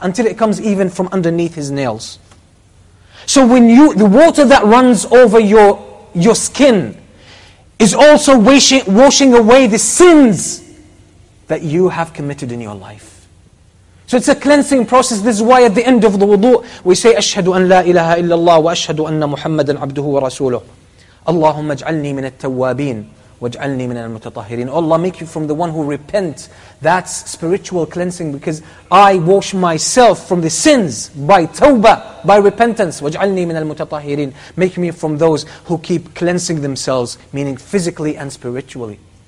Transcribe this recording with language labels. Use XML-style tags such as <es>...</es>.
<en>Until it comes even from underneath his nails. So when you, the water that runs over your skin is also washing away the sins that you have committed in your life. So it's a cleansing process. This is why at the end of the wudu, we say,</en> <ar>أشهد أن لا إله إلا الله وأشهد أن محمدًا عبده ورسوله. اللهم اجعلني من التوابين وَاجْعَلْنِي مِنَ الْمُتَطَهِرِينَ.</ar> <en>Allah, make you from the one who repents. That's spiritual cleansing, because I wash myself from the sins by tawbah, by repentance.</en> <ar>وَاجْعَلْنِي مِنَ الْمُتَطَهِرِينَ.</ar> <en>Make me from those who keep cleansing themselves, meaning physically and spiritually.</en>